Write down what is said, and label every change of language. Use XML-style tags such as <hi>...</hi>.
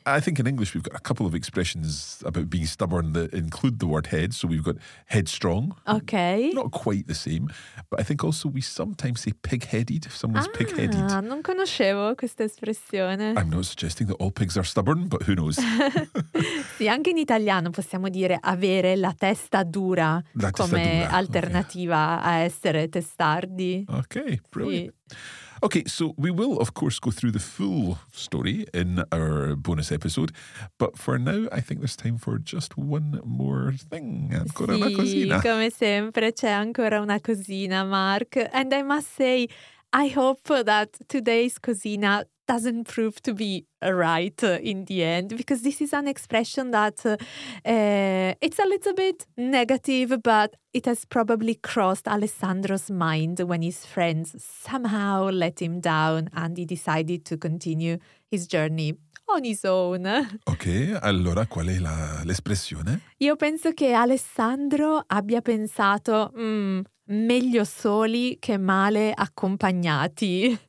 <en>I think in English we've got a couple of expressions about being stubborn that include the word head. So we've got headstrong. Okay. Not quite the same. But I think also we sometimes say pig-headed, if someone's pig-headed.</en> <it>Ah, non conoscevo questa espressione.</it> <en>I'm not suggesting that all pigs are stubborn, but who knows.</en> <it>Sì, anche in italiano possiamo dire avere la testa dura la come testa dura. Alternativa okay. a essere testardi.</it> <en>Okay, brilliant. Sì. Okay, so we will, of course, go through the full story in our bonus episode. But for now, I think there's time for just one more thing.</en> <it>Ancora sì, una cosina. Come sempre, c'è ancora una cosina, Mark.</it> <en>And I must say, I hope that today's cuisine doesn't prove to be right in the end, because this is an expression that it's a little bit negative, but it has probably crossed Alessandro's mind when his friends somehow let him down and he decided to continue his journey on his own.</en> <it>Ok, allora qual è l'espressione? Io penso che Alessandro abbia pensato meglio soli che male accompagnati.</it>